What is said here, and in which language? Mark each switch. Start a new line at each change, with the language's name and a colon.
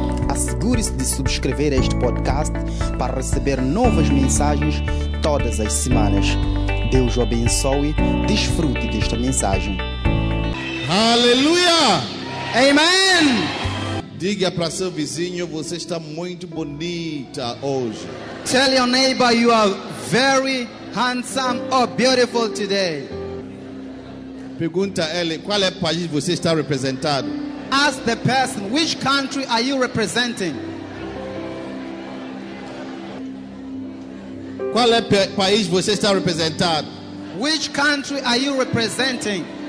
Portuguese: Assegure-se de subscrever este podcast para receber novas mensagens todas as semanas. Deus o abençoe. Desfrute desta mensagem. Aleluia! Amen! Diga para seu vizinho, você está muito bonita hoje.
English: Tell your neighbor you are very handsome or beautiful today.
Portuguese: Pergunta a ele, qual é o país você está representando?
English: Ask the person, which country are you representing?
Portuguese: Qual é o país você está representando?
English: Which country are you representing?